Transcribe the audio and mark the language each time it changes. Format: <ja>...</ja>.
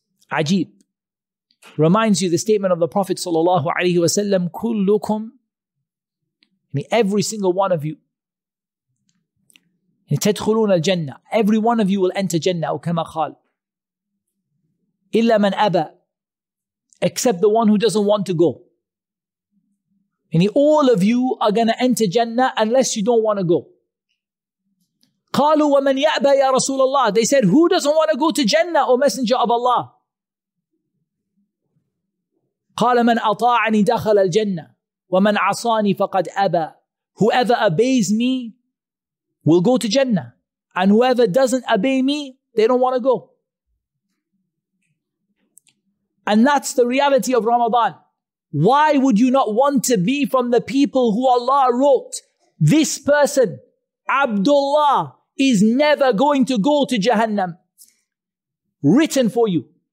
<en>Ajib. Reminds you the statement of the Prophet sallallahu alaihi wasallam, kullukum, every single one of you,</en> <ar>tadkhulun al-jannah,</ar> <en>every one of you will enter jannah, or kama qal,</en> <ar>illa man aba,</ar> <en>except the one who doesn't want to go. All of you are going to enter jannah unless you don't want to go.</en> <ar>Qalu wa man ya'ba ya rasulullah,</ar> <en>they said, who doesn't want to go to jannah, O messenger of Allah?</en> <ar>قال من أطاعني دخل الجنة ومن عصاني فقد أبى.</ar> <en>Whoever obeys me will go to Jannah, and whoever doesn't obey me, they don't want to go. And that's the reality of Ramadan. Why would you not want to be from the people who Allah wrote, this person, Abdullah, is never going to go to Jahannam? Written for you.</en>